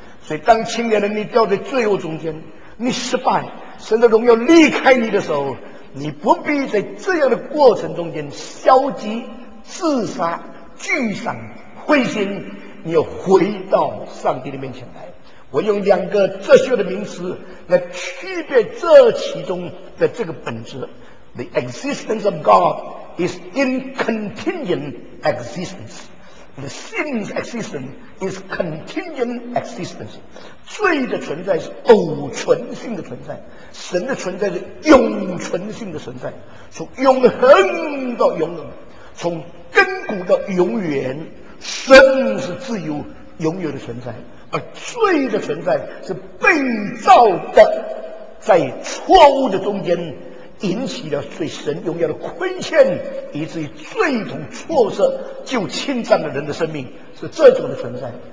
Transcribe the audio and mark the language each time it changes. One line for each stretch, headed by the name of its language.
Chinese: 所以当青年人你掉在罪恶中间，你失败，神的荣耀离开你的时候，你不必在这样的过程中间消极自杀沮丧灰心，你要回到上帝的面前来。我用两个哲学的名词来区别这其中的这个本质。
English: The existence of God is in contingent existence. The sin's existence is contingent existence.
Chinese: 罪的存在是偶存性的存在，神的存在是永存性的存在。从永恒到永恒，从根骨到永远，神是自由永有的存在，而罪的存在是被造的，在错误的中间引起了对神荣耀的亏欠，以至于罪同错色就侵占了人的生命，是这种的存在。